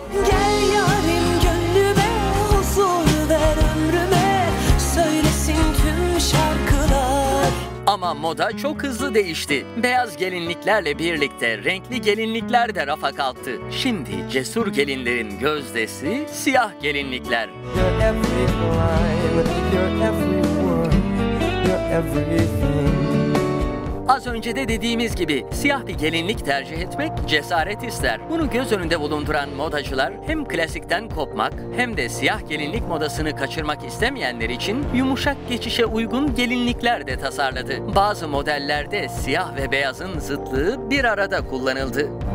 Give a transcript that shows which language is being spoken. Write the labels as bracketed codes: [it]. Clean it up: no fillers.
[tr] Gel yârim gönlüme, huzur ver ömrüme, söylesin tüm şarkılar. Ama moda çok hızlı değişti. Beyaz gelinliklerle birlikte renkli gelinlikler de rafa kalktı. Şimdi cesur gelinlerin gözdesi siyah gelinlikler. [en] You're every line, you're every word, you're everything. [tr] Az önce de dediğimiz gibi siyah bir gelinlik tercih etmek cesaret ister. Bunu göz önünde bulunduran modacılar hem klasikten kopmak hem de siyah gelinlik modasını kaçırmak istemeyenler için yumuşak geçişe uygun gelinlikler de tasarladı. Bazı modellerde siyah ve beyazın zıtlığı bir arada kullanıldı.